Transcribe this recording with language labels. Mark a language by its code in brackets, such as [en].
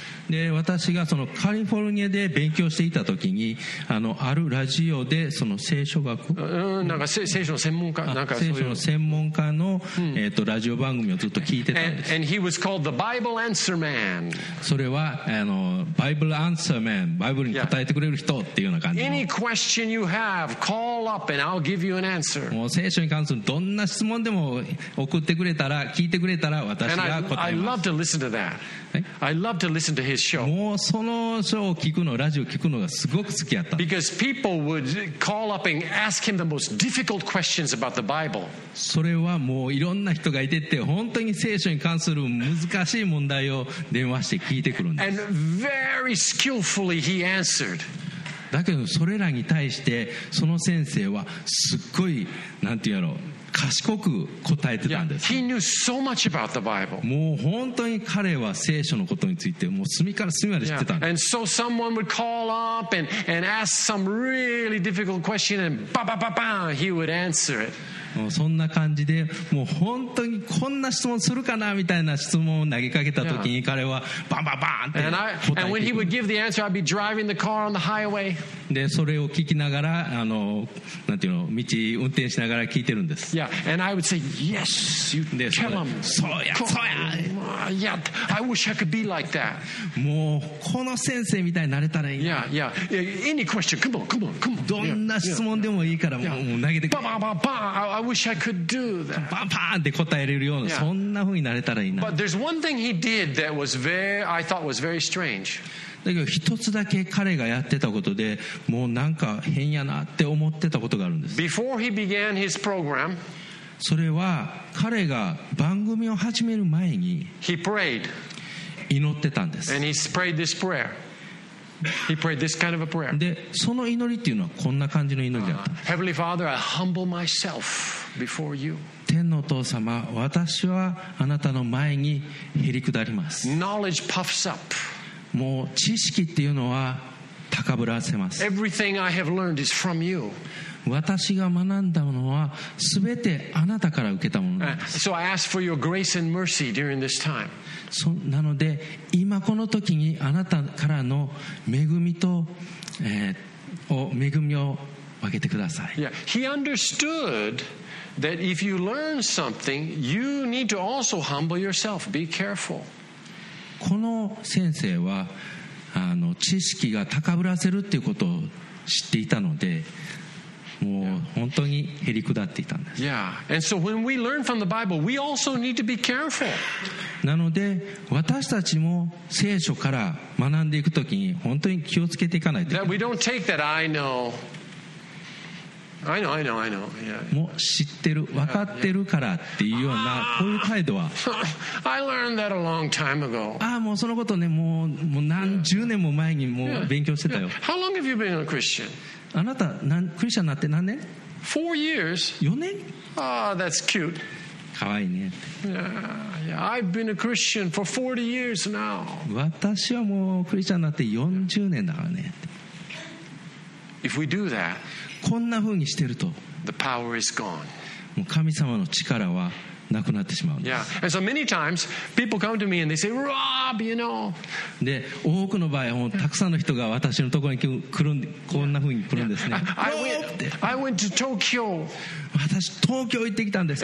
[ja] で、私がそのカリフォルニアで勉強していたときに、あるラジオでその聖書学、なんか聖書の専門家、なんかそういう聖書の専門家の、ラジオ番組をずっと聞いてたんです。 [en] And he was called the Bible Answer Man. [ja] それはBible Answer Man、バイブルに答えてくれる人っていうような感じの。 [en] Any question you have, call up and I'll give you an answer. [ja] もう聖書に関するどんな質問でも送ってくれたら、聞いてくれたら私が答えます。 [en] And I love to listen to that. I love to listen to his show. [ja] もうそのショーを聞くの、ラジオを聞くのがすごく好きやった。 [en] Because people would call up and ask him the most difficult questions about the Bible. [ja] それはもういろんな人がいてて、本当に聖書に関する難しい問題を電話して聞いてくるんです。 [en] And very skillfully he answered. [ja] だけどそれらに対してその先生はすっごいなんて言うやろ、賢く答えてたんです。 [en] He knew so much about the Bible. [ja] もう本当に彼は聖書のことについてもう隅から隅まで知ってたんです。 [en] And so someone would call up and ask some really difficult question and ba ba ba ba he would answer it. [ja] もうそんな感じで、もう本当にこんな質問するかなみたいな質問を投げかけた時に彼はバンバンバンって答えて、 [en] and when he would give the answer, I'd be driving the car on the highway. [ja] でそれを聞きながら、なんていうの、道運転しながら聞いてるんです。 [en] Yeah, and I would say, yes, you tell him. [ja] そうや、そうや。 [en] Yeah, I wish I could be like that. [ja] もうこの先生みたいになれたらいいな。 [en] Yeah, any question, come on, come on, come on. [ja] どんな質問でもいいから、もう投げてくれ。バンバンバン、 [en] I wish I could do that. [ja] パンパンって答えれるような、yeah. そんな風になれたらいいな。 [en] But there's one thing he did that was very, I thought was very strange. [ja] だけど一つだけ彼がやってたことでもうなんか変やなって思ってたことがあるんです。 [en] Before he began his program, [ja] それは彼が番組を始める前に [en] he prayed. [ja] 祈ってたんです。 [en] And he prayed this prayer. He prayed this kind of a prayer. [ja] で、その祈りっていうのはこんな感じの祈りだった。 [en] Heavenly Father, I humble myself before you. [ja] 天のお父様、私はあなたの前にへり下ります。 [en] Knowledge puffs up. [ja] もう知識っていうのは高ぶらせます。 [en] Everything I have learned is from you. [ja] 私が学んだものは全てあなたから受けたものです。 [en] So I ask for your grace and mercy during this time. [ja] なので今この時にあなたからの恵みと、恵みを分けてください。 [en] Yeah. He understood that if you learn something, you need to also humble yourself. Be careful. [ja] この先生は知識が高ぶらせるっていうことを知っていたので、もう本当にへり下っていたんです。 [en] Yeah. And so when we learn from the Bible, we also need to be careful. [ja] なので私たちも聖書から学んでいくときに本当に気をつけていかないといけない。 [en] That we don't take that I know. I know, I know, I know. Yeah. [ja] もう知ってる、分かってるからっていうようなこういう態度は。 [en] I learned that a long time ago. [ja] ああ、もうそのことね、もう何十年も前にもう勉強してたよ。 [en] Yeah. How long have you been a Christian? [ja] あなた、クリスチャンになって何年？ [en] 4 years. [ja] 4年？ [en] Ah, that's cute. [ja] かわいいね。 [en] Yeah, I've been a Christian for 40 years now. [ja] 私はもうクリスチャンになって40年だからね。 [en] If we do that, [ja] こんな風にしてると、 [en] the power is gone. [ja] もう神様の力はなくなってしまうんです。 [en] Yeah, and so many times people come to me and they say, Rob, you know. [ja] で、多くの場合もたくさんの人が私のところに来るんで、こんな風に来るんですね。 [en] I went to Tokyo. [ja] 私東京行ってきたんです。